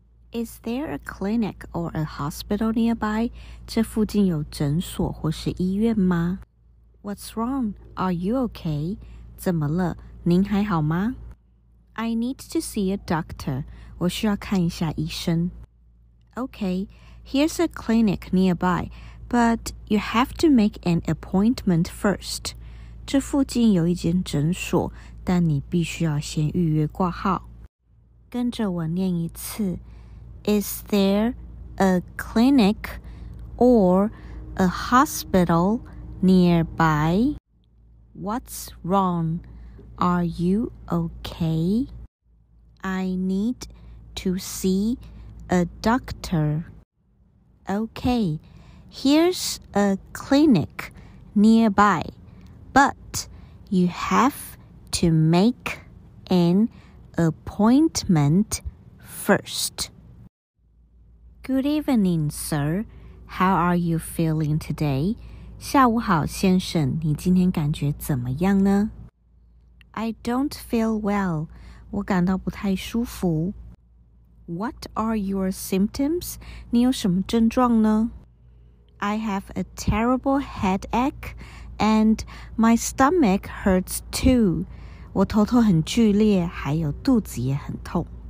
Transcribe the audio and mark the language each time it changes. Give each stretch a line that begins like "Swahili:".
English: Is there a clinic or a hospital nearby?
Chinese: 这附近有诊所或是医院吗?
English: What's wrong? Are you okay?
Chinese: 怎么了?您还好吗?
English: I need to see a doctor.
Chinese: 我需要看一下医生。
English: Okay, here's a clinic nearby, but you have to make an appointment first.
Chinese: 这附近有一间诊所,但你必须要先预约挂号。跟着我念一次。
English: Is there a clinic or a hospital nearby? What's wrong? Are you okay? I need to see a doctor. Okay, here's a clinic nearby, but you have to make an appointment first. Good evening, sir. How are you feeling today?
Chinese: 下午好，先生，你今天感觉怎么样呢?
English: I don't feel well.
Chinese: 我感到不太舒服。
English: What are your symptoms?
Chinese: 你有什么症状呢?
English: I have a terrible headache and my stomach hurts too.
Chinese: 我头痛很剧烈，还有肚子也很痛。